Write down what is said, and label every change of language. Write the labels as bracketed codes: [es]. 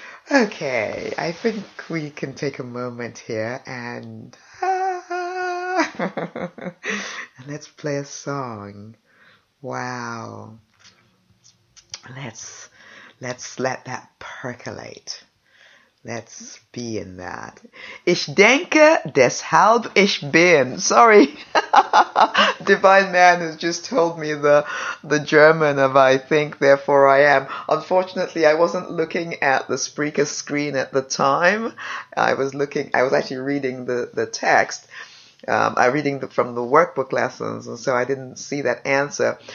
[en] Okay, I think we can take a moment here and and let's play a song. Wow. Let's let that percolate. Let's be in that. [de] Ich denke, deshalb ich bin. [en] Sorry. Divine Man has just told me the German of I think, therefore I am. Unfortunately, I wasn't looking at the Spreaker screen at the time. I was actually reading the text. I'm reading from the workbook lessons, and so I didn't see that answer.